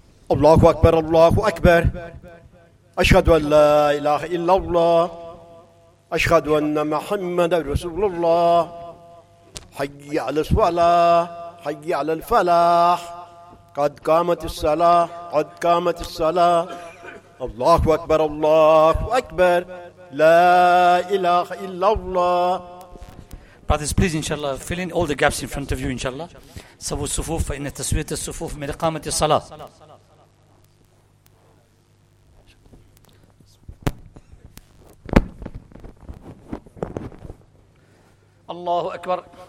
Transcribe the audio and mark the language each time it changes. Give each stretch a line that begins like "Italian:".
Arabic: الله أكبر، الله أكبر، أشهد أن لا إله إلا الله، أشهد أن محمد رسول الله. حي على الصلاة، حي على الفلاح، قد قامت الصلاة، قد قامت الصلاة. الله أكبر، الله أكبر، لا إله إلا الله.
English: Brothers, please, inshallah, fill in all the gaps in front of you, inshallah.
Arabic: سووا الصفوف، فإن تسوية الصفوف من إقامة الصلاة. الله أكبر.